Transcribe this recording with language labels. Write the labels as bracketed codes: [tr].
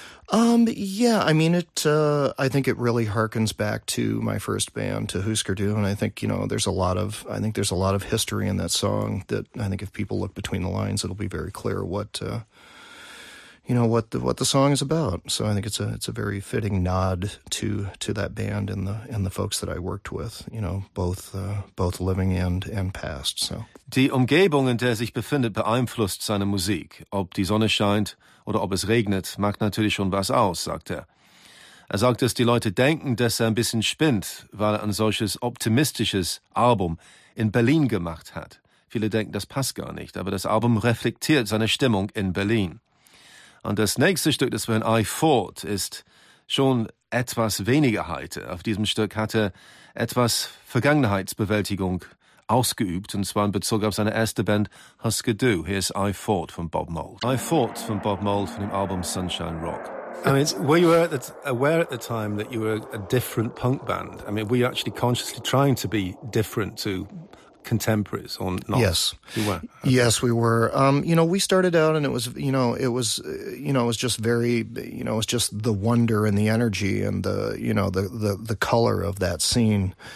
[en] Yeah, I mean, I think it really harkens back to my first band, to Husker Du, and I think, you know, there's a lot of history in that song that I think if people look between the lines, it'll be very clear what the song is about. So I think it's a very fitting nod to that band and the folks that I worked with, you know, both living and past. [de] So die Umgebung, in der sich befindet, beeinflusst seine Musik. Ob die Sonne scheint oder ob es regnet, macht natürlich schon was aus, sagt er. Er sagt, dass die Leute denken, dass er ein bisschen spinnt, weil er ein solches optimistisches Album in Berlin gemacht hat. Viele denken, das passt gar nicht, aber das Album reflektiert seine Stimmung in Berlin. Und das nächste Stück, das wir in I Fought, ist schon etwas weniger heiter. Auf diesem Stück hat er etwas Vergangenheitsbewältigung ausgeübt, und zwar in Bezug auf seine erste Band Husker Du. Hier ist I Fought von Bob Mould. I Fought von Bob Mould von dem Album Sunshine Rock. [en] I mean, were you aware at the time that you were a different punk band? I mean, were you actually consciously trying to be different to contemporaries or not? Yes. You were? Okay. Yes, we were. You know, we started out and it was just the wonder and the energy and the color of that scene.